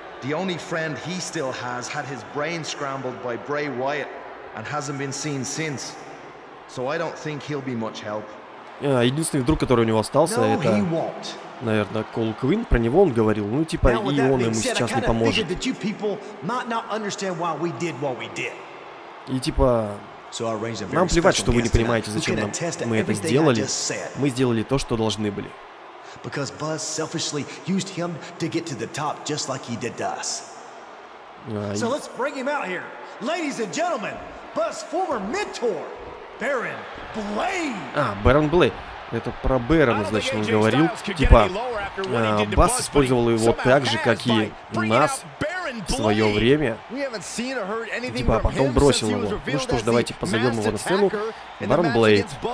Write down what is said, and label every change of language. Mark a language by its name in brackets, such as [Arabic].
[English] The only friend he still has had his brain scrambled by Bray Wyatt and hasn't been seen since. So I don't think he'll be much help. [Russian] Единственный друг, который у него остался, это, наверное, Кол Квин. Про него он говорил, ну типа, и он ему сейчас не поможет. И типа, нам плевать, что вы не понимаете, зачем мы это сделали. Мы сделали то, что должны были. [English] because Buzz selfishly used him to get to the top just like he did to us. So let's bring him out here. Ladies and gentlemen, Buzz's former mentor, Baron Blade. Baron Blade. [Russian] Это про Бэрона, значит, он говорил. Типа, Басс использовал его так же, как и нас в свое время. Типа, потом бросил его. Ну что ж, давайте позовем его на сцену. Барон Блейд.